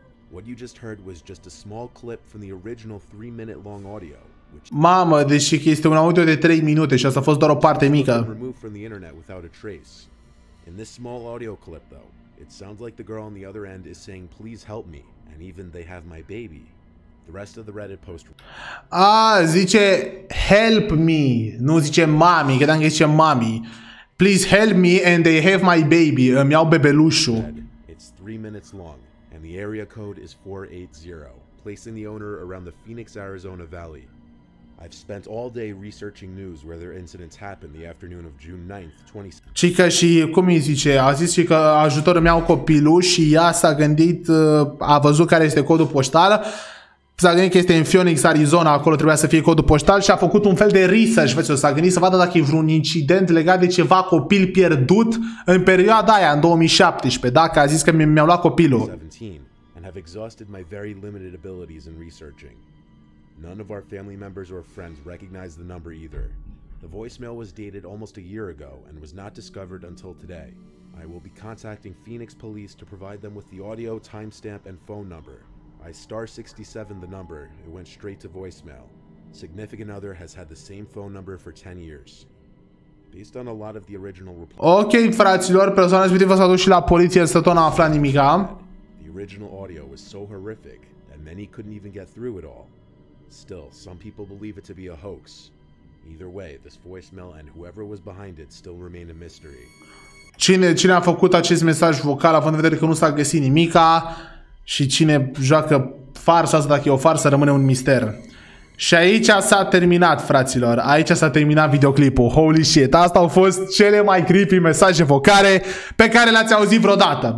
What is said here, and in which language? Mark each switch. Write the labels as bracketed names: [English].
[English] What you just heard was just a small clip from the original 3-minute long audio, which. [Romanian] Mamă, deci este un audio de 3 minute și asta a fost doar o parte mică. [English] Removed from the internet without a trace. In this small audio clip though, it sounds like the girl on the other end is saying please help me and even they have my baby. The rest of the Reddit post. [Romanian] Ah, zice [English] help me, [Romanian] nu zice mami, că dacă zice mami. [English] Please help me and they have my baby, [Romanian] îmi iau bebelușul. [English] It's 3 minutes long. The area code is 480. placing the owner around the Phoenix, Arizona Valley. I've spent all day researching news where their incidents happened the afternoon of June 9th, 2017. [Romanian] Cică și cum îi zice, a zis și că ajutorul meu copilul și ea s-a gândit, a văzut care este codul poștal, s-a gândit că este în Phoenix, Arizona, acolo trebuia să fie codul poștal și a făcut un fel de research, vezi, s-a gândit să vadă dacă e vreun incident legat de ceva copil pierdut în perioada aia, în 2017, dacă a zis că mi-au luat copilul. [English] And have exhausted my very limited abilities in researching. None of our family members or friends recognize the number either. The voicemail was dated almost a year ago and was not discovered until today. I will be contacting Phoenix police to provide them with the audio, timestamp, and phone number. I star 67 the number. It went straight to voicemail. Significant other has had the same phone number for 10 years. Based on a lot of the original reports. [Romanian] Ok, fraților, persoana respectivă s-a dus și la poliție, însă tot n-a aflat nimica. [English] The original audio was so horrific that many couldn't even get through it all. Still, some people believe it to be a hoax. Either way, this voicemail and whoever was behind it still remain a mystery. [Romanian] Cine a făcut acest mesaj vocal, având în vedere că nu s-a găsit nimica și cine joacă farsa asta, dacă e o farsă, rămâne un mister. Și aici s-a terminat, fraților. Aici s-a terminat videoclipul. [English] Holy shit. [Romanian] Asta au fost cele mai [English] creepy [Romanian] mesaje vocale pe care le-ați auzit vreodată.